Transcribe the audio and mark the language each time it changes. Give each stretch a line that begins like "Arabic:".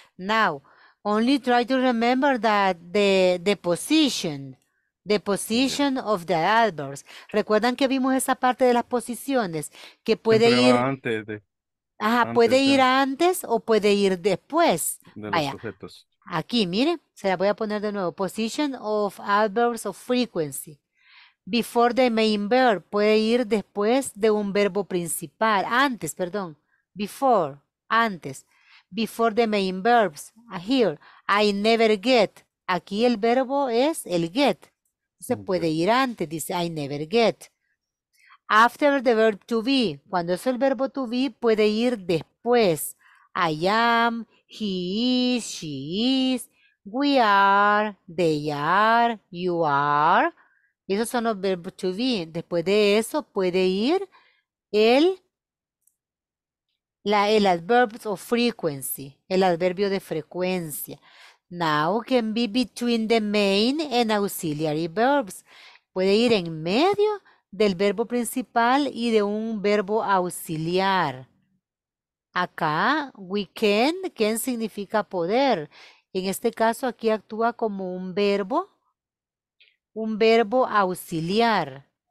English: Now, only try to remember that the position of the adverbs.
Spanish: ¿Recuerdan que vimos esa parte de las posiciones? Que puede ir antes de. Ajá, antes puede ir de, antes o puede ir después. De vaya, los sujetos. Aquí, mire, se la voy a poner de nuevo.
English: Position of adverbs of frequency. Before the main verb,
Spanish: puede ir después de un verbo principal. Antes, perdón.
English: Before,
Spanish: antes.
English: Before the main verbs, here. I never get.
Spanish: Aquí el verbo es el get. Se puede ir antes, dice,
English: I never get. After the verb to be,
Spanish: cuando es el verbo to be, puede ir después.
English: I am, he is, she is, we are, they are, you are.
Spanish: Esos son los verbos to be. Después de eso, puede ir el
English: adverb of frequency,
Spanish: el adverbio de frecuencia.
English: Now can be between the main and auxiliary verbs.
Spanish: Puede ir en medio del verbo principal y de un verbo auxiliar. Acá,
English: we can
Spanish: significa poder. En este caso, aquí actúa como un verbo auxiliar.